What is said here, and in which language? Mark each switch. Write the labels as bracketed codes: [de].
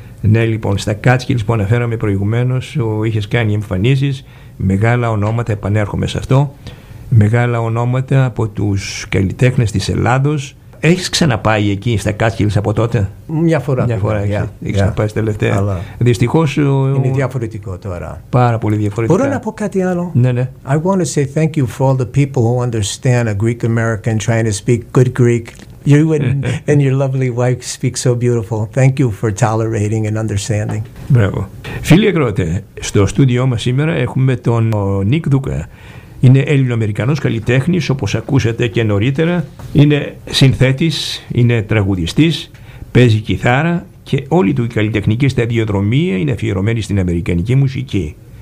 [el] Ναι, λοιπόν, στα Catskills που αναφέραμε προηγουμένως, είχες κάνει εμφανίσεις, μεγάλα ονόματα, επανέρχομαι σε αυτό, μεγάλα ονόματα από τους καλλιτέχνες της Ελλάδος. Έχεις ξαναπάει εκεί στα Catskills από τότε? Μια φορά. Μια φορά έχεις ξαναπάει τελευταία. Αλλά δυστυχώς είναι διαφορετικό τώρα. Πάρα πολύ διαφορετικό. Μπορώ να πω κάτι άλλο? Ναι, ναι. [en] I want to say thank you for all the people who understand a Greek American trying to speak good Greek. You and your lovely wife speak so beautiful. Thank you for tolerating and understanding. [el] Μπράβο. Φίλοι ακρότε, στο στούντιό μας σήμερα έχουμε τον Νίκ Δούκα. Είναι Έλληνο-Αμερικανός καλλιτέχνης, όπως ακούσατε και νωρίτερα. Είναι συνθέτης, είναι τραγουδιστής, παίζει κιθάρα και όλη του η καλλιτεχνική σταδιοδρομία είναι αφιερωμένη στην αμερικανική μουσική.